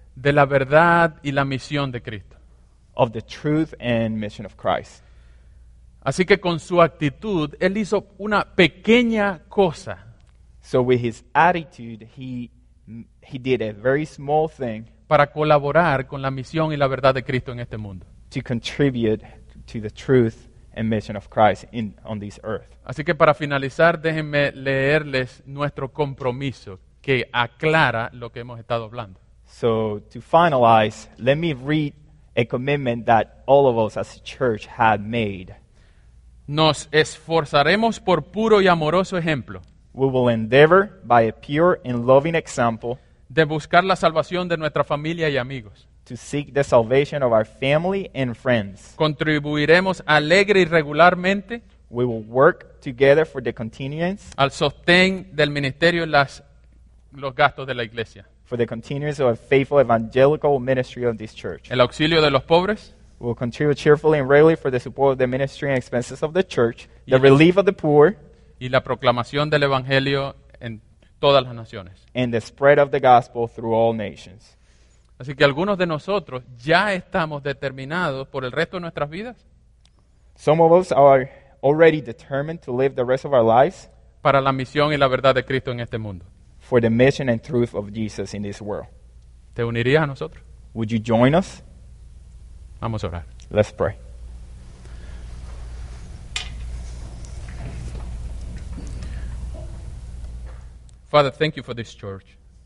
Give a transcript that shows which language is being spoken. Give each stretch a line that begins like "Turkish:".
Spanish: De la verdad y la misión de Cristo.
English: Of the truth and mission of Christ.
Spanish: Así que con su actitud, él hizo una pequeña cosa.
English: So with his attitude, he did a very small thing.
Spanish: Para colaborar con la misión y la verdad de Cristo en este mundo.
English: To contribute to the truth and mission of Christ on this earth.
Spanish: Así que para finalizar, déjenme leerles nuestro compromiso que aclara lo que hemos estado hablando.
English: So to finalize, let me read a commitment that all of us as a church had made.
Spanish: Nos esforzaremos por puro y amoroso ejemplo.
English: We will endeavor by a pure and loving example.
Spanish: De buscar la salvación de nuestra familia y amigos.
English: To seek the salvation of our family and friends.
Spanish: Contribuiremos alegre y regularmente.
English: We will work together for the continuance.
Spanish: Al sostén del ministerio y los gastos de la iglesia.
English: For the continuance of a faithful evangelical ministry of this church.
Spanish: El auxilio de los pobres.
English: Will contribute cheerfully and regularly for the support of the ministry and expenses of the church, the relief of the poor,
Spanish: y la proclamación del evangelio en todas las naciones,
English: and the spread of the gospel through all nations.
Spanish: Así que algunos de nosotros ya estamos determinados por el resto de nuestras vidas.
English: Some of us are already determined to live the rest of our lives
Spanish: para la misión y la verdad de Cristo en este mundo,
English: for the mission and truth of Jesus in this world.
Spanish: ¿Te unirías a nosotros?
English: Would you join us?
Spanish: Vamos a orar.
English: Let's pray. Father, thank you for this church.